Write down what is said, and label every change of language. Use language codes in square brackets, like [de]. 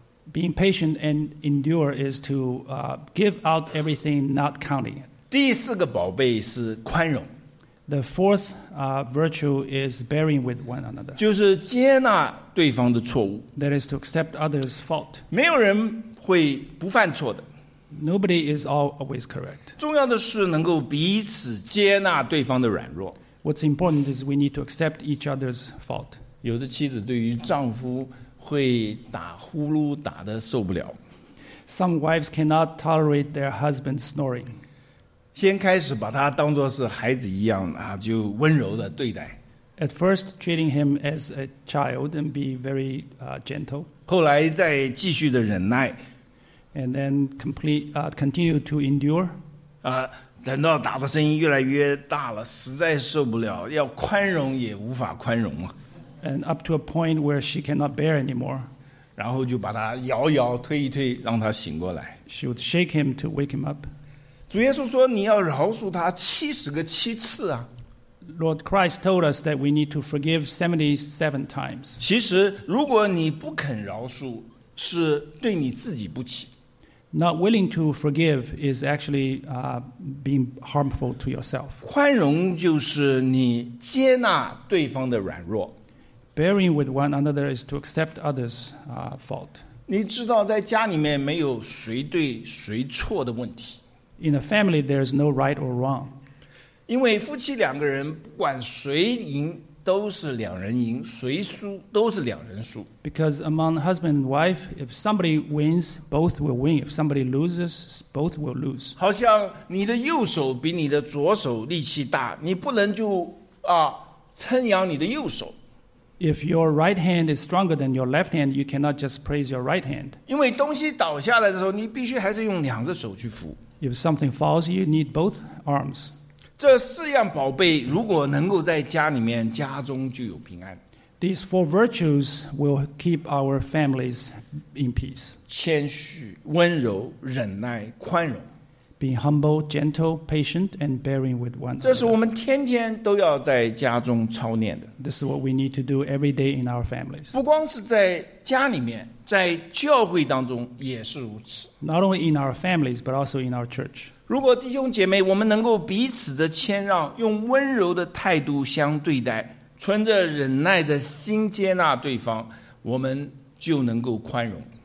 [en] Being patient and endure is to give out everything, not counting. [zh] 第四个宝贝是宽容。 [en] The fourth virtue is bearing with one another. [zh] 就是接纳对方的错误。 [en] That is to accept others' fault. [zh] 没有人会不犯错的。 [en] Nobody is always correct. [zh] 重要的是能够彼此接纳对方的软弱。 [en] What's important is we need to accept each other's fault. [zh] 有的妻子对于丈夫会打呼噜打得受不了。 [en] Some wives cannot tolerate their husband snoring. [zh] 先开始把他当作是孩子一样啊，就温柔的对待。 [en] At first, treating him as a child and be very gentle. [zh] 后来再继续的忍耐。 [en] And then continue to endure. [zh] 等到打的声音越来越大了，实在受不了，要宽容也无法宽容了。 [en] And up to a point where she cannot bear anymore. [zh] 然后就把他摇摇推一推，让他醒过来。 [en] She would shake him to wake him up. [zh] 主耶稣说你要饶恕他七十个七次啊。 [en] Lord Christ told us that we need to forgive 77 times. [zh] 其实如果你不肯饶恕，是对你自己不起。 [en] Not willing to forgive is actually being harmful to yourself. [zh] 宽容就是你接纳对方的软弱。 [en] Bearing with one another is to accept others' fault. [zh] 你知道在家里面没有谁对谁错的问题。 [en] In a family, there is no right or wrong. [zh] 因为夫妻两个人不管谁赢都是两人赢，谁输都是两人输。 [en] Because among husband and wife, if somebody wins, both will win. If somebody loses, both will lose. [zh] 好像你的右手比你的左手力气大，你不能就称扬你的右手。 [en] If your right hand is stronger than your left hand, you cannot just praise your right hand. [zh] 因为东西倒下来的时候，你必须还是用两个手去扶。 [en] If something falls, you need both arms. [zh] 这四样宝贝如果能够在家里面，家中就有平安。 [en] These four virtues will keep our families in peace. [zh] 谦虚、温柔、忍耐、宽容。 [en] Being humble, gentle, patient, and bearing with one another. [zh] 这是我们天天都要在家中操练的。 [en] This is what we need to do every day in our families. [zh] 不光是在家里面，在教会当中也是如此。 [en] Not only in our families, but also in our church. [zh] 如果弟兄姐妹，我们能够彼此的谦让，用温柔的态度相对待，存着忍耐的心接纳对方，我们就能够宽容。